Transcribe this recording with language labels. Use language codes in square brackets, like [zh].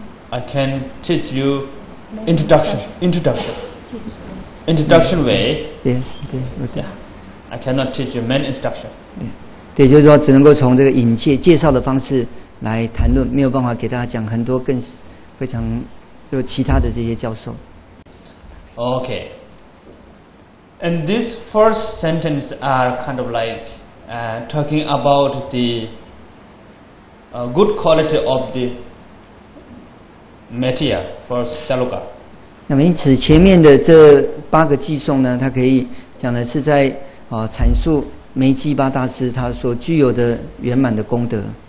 [en] I can teach you introduction way. Yes, okay, right. Yeah. I cannot teach you main instruction. Yeah. [zh] 对，就是说只能够从这个引介介绍的方式来谈论，没有办法给大家讲很多更非常有其他的这些教授。 [en] Okay. And this first sentence are kind of like talking about the good quality of the material for Shaloka. [zh] 那么因此前面的这八个偈颂呢，它可以讲的是在阐述梅基巴大师他所具有的圆满的功德。